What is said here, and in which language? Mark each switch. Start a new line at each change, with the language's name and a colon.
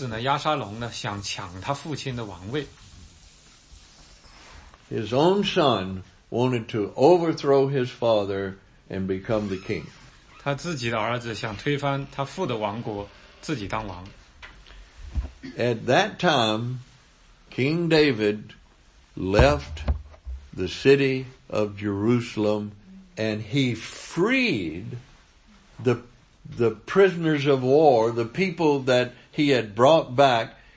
Chinese: 那很多年之后呢，大卫王的儿子呢，亚沙龙呢，想抢他父亲的王位。
English: His own son wanted to overthrow his father and become the king.
Chinese: 他自己的儿子想推翻他父的王国，自己当王。
English: At that time, King David left the city of Jerusalem and he freed the prisoners of war, the people that he had brought back.